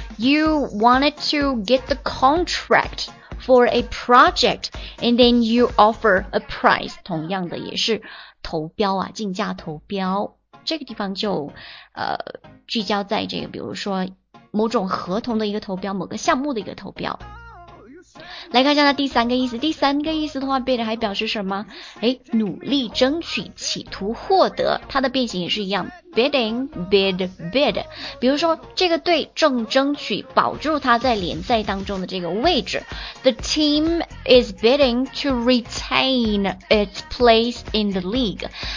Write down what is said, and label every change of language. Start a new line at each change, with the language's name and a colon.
English: You wanted to get the contract for a project and then you offer a price.
Chinese: 同样的也是投标啊，竞价投标。这个地方就聚焦在这个比如说某种合同的一个投标，某个项目的一个投标。来看一下它第三个意思。第三个意思的话 bid 还表示什么？诶，努力争取，企图获得。它的变形也是一样， bidding, bid, bid。比如说这个队正争取保住它在联赛当中的这个位置。
English: The team is bidding to retain its place in the league。